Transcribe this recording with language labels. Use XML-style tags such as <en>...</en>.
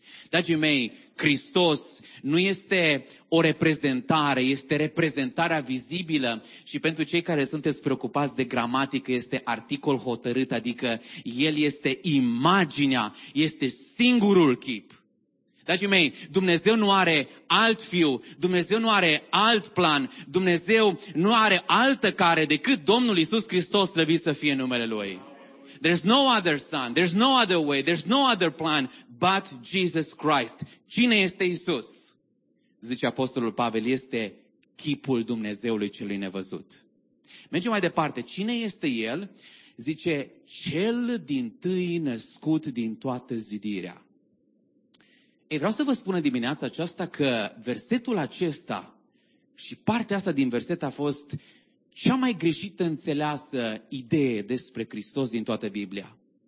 <ro>Dragii mei, Hristos nu este o reprezentare, este reprezentarea vizibilă și pentru cei care sunteți preocupați de gramatică, este articol hotărât, adică El este imaginea, este singurul chip. Dragii mei, Dumnezeu nu are alt fiu, Dumnezeu nu are alt plan, Dumnezeu nu are altă care decât Domnul Iisus Hristos slăvit să fie numele Lui.</ro> <en>There's no other son, there's no other way, there's no other plan but Jesus Christ.</en> <ro>Cine este Iisus? Zice Apostolul Pavel, este chipul Dumnezeului celui nevăzut. Mergem mai departe, cine este El? Zice, cel dintâi născut din toată zidirea. Ei, vreau să vă spun dimineața aceasta că versetul acesta și partea asta din verset a fost cea mai greșită înțeleasă idee despre Hristos din toată Biblia.</ro>